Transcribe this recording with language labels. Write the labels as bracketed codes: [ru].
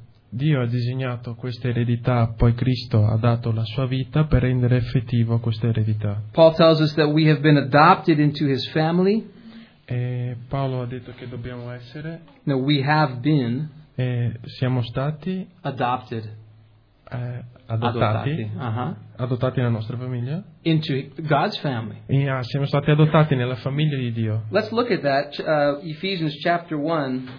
[it] Dio ha disegnato questa eredità, poi Cristo ha dato la sua vita per rendere effettivo questa eredità. [en] Paul tells us that we have been adopted into his family. [it] Paolo ha detto che dobbiamo essere. [en] No, we have been. [it] Siamo stati. [en] Adopted. [it] Adottati. Uh-huh. Adottati nella nostra famiglia. [en] Into God's family. [it] Siamo stati adottati nella famiglia di Dio. [en] Let's look at that. Ephesians chapter 1.